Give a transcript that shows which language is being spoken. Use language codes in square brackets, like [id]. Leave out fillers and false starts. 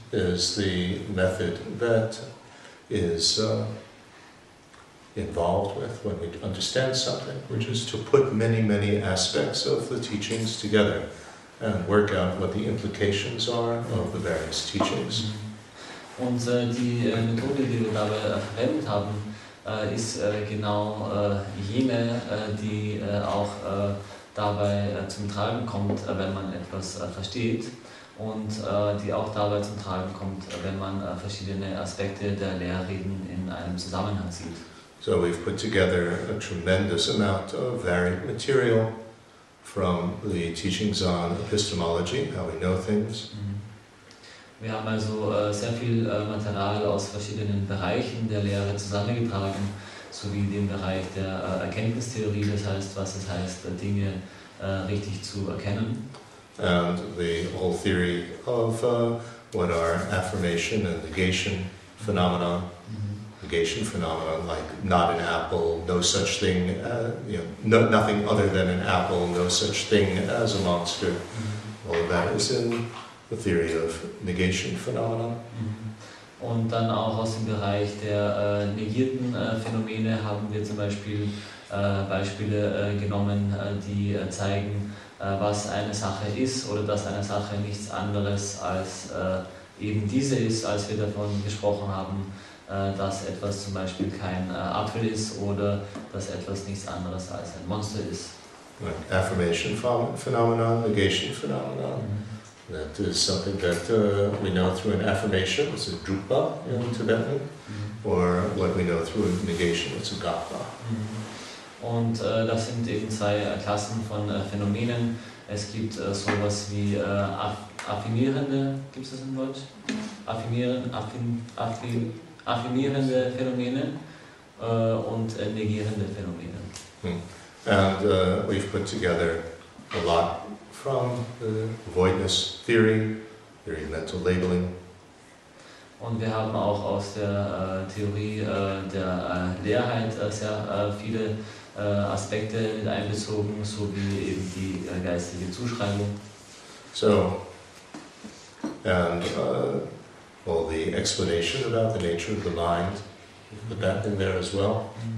[en] is the method that is involved with when we understand something, which is to put many, many aspects of the teachings together and work out what the implications are of the various teachings. [de] Und die Methode, die wir dabei verwendet haben, ist genau jene, die auch dabei zum Tragen kommt, wenn man etwas versteht und die auch dabei zum Tragen kommt, wenn man verschiedene Aspekte der Lehrreden in einem Zusammenhang sieht. [en] So we've put together a tremendous amount of varied material from the teachings on epistemology, how we know things. [de] Wir haben also sehr viel Material aus verschiedenen Bereichen der Lehre zusammengetragen, sowie dem Bereich der Erkenntnistheorie, das heißt, was es heißt, Dinge richtig zu erkennen. [en] And the whole theory of what are affirmation and negation phenomena. Negation phenomena like not an apple, no such thing, nothing other than an apple, no such thing as a monster. Mm-hmm. All of that is in the theory of negation phenomena. Mm-hmm. [de] Und dann auch aus dem Bereich der negierten Phänomene haben wir zum Beispiel Beispiele genommen, die zeigen, was eine Sache ist oder dass eine Sache nichts anderes als eben diese ist, als wir davon gesprochen haben. Dass etwas zum Beispiel kein Apfel ist oder dass etwas nichts anderes als ein Monster ist. [en] Right. Affirmation phenomena, negation phenomena. Mm-hmm. That is something that we know through an affirmation, it's a drupa in Tibetan, mm-hmm. or what we know through a negation, it's a gapa. Mm-hmm. [de] Und das sind eben zwei Klassen von Phänomenen. Es gibt sowas wie affirmierende, gibt es das im Wort? Affirmierende Phänomene und negierende Phänomene. [en] And we've put together a lot from the voidness theory of mental labeling. [de] Und wir haben auch aus der Theorie der Leerheit sehr viele Aspekte mit einbezogen, so wie eben die geistige Zuschreibung. [en] So, and well, the explanation about the nature of the mind, put that in there as well.